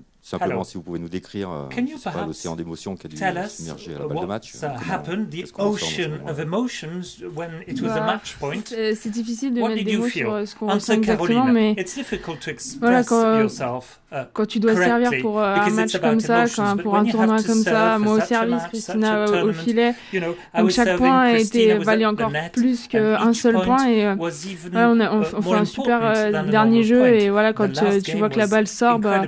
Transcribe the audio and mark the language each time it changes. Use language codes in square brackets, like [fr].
[fr] Simplement, si vous pouvez nous décrire l'océan d'émotions qui a dû submerger à la balle de match. [en] The ocean of emotions when it was a match point. [fr] C'est difficile de mettre des mots sur ce qu'on ressent exactement, mais [en] it's difficult to express voilà, yourself [fr] quand tu dois servir pour un match comme ça, pour un tournoi comme ça, moi au service, Christina au filet, donc chaque point a été valu encore plus qu'un seul point et on fait un super dernier jeu et voilà quand tu vois que la balle sort.